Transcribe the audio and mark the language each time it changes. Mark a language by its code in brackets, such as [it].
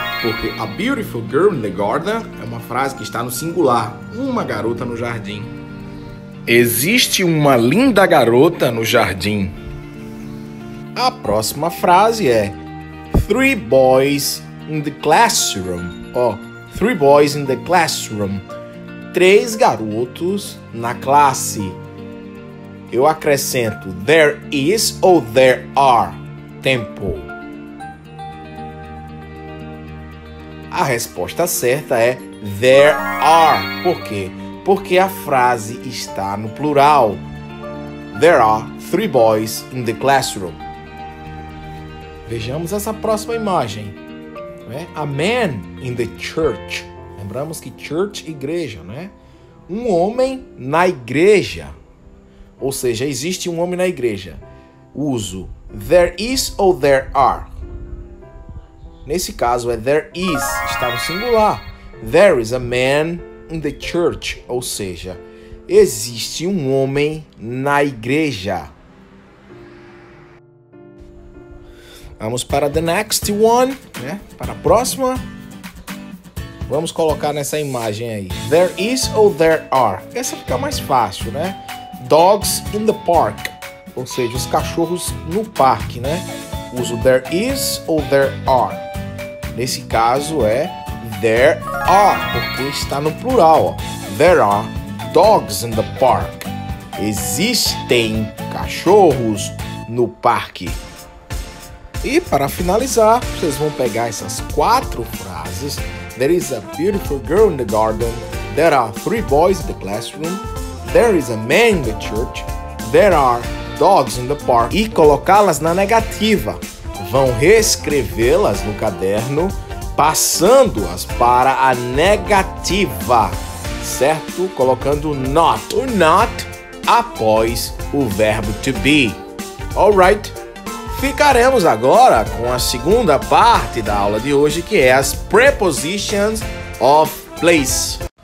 [pt] Porque [en] a beautiful girl in the garden [pt] é uma frase que está no singular. Uma garota no jardim. Existe uma linda garota no jardim. A próxima frase é [en] three boys in the classroom. Three boys in the classroom. [pt] Três garotos na classe. Eu acrescento there is ou there are. Tempo. A resposta certa é there are. Por quê? Porque a frase está no plural. [en] There are three boys in the classroom. [pt] Vejamos essa próxima imagem. Né? [en] A man in the church. [pt] Lembramos que church, igreja, né? Um homem na igreja. Ou seja, existe um homem na igreja. Uso there is ou there are. Nesse caso é there is. Está no singular. [en] There is a man in the church. [pt] Ou seja, existe um homem na igreja. Vamos para [en] the next one, [pt] né? Para a próxima. Vamos colocar nessa imagem aí. There is ou there are? Essa fica mais fácil, né? [en] dogs in the park, [pt] ou seja, os cachorros no parque, né? Uso there is ou there are. Nesse caso é there are, porque está no plural, ó. [en] There are dogs in the park. [pt] Existem cachorros no parque. E para finalizar, vocês vão pegar essas quatro frases. [en] There is a beautiful girl in the garden. There are three boys in the classroom. There is a man in the church. There are dogs in the park. [pt] E colocá-las na negativa. Vão reescrevê-las no caderno, passando-as para a negativa, certo? Colocando not or not após o verbo to be. Alright? Ficaremos agora com a segunda parte da aula de hoje, que é as prepositions of place.